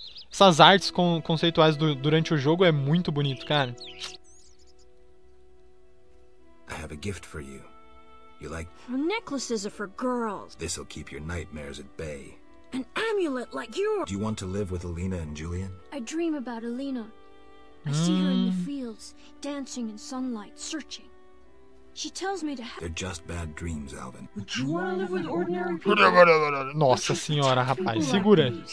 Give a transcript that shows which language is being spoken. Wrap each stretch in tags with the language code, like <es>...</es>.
<pt>Essas artes conceituais durante o jogo é muito bonito, cara.</pt> <en>I have a gift for you. You like necklaces are for girls. This'll keep your nightmares at bay. An amulet like yours. Do you want to live with Alina and Julian? I dream about Alina. I see her in the fields, dancing in sunlight, searching. She tells me to have. They're just bad dreams, Alvin. Would you want to live with ordinary people?</en> <pt>Nossa senhora, rapaz, segura.</pt>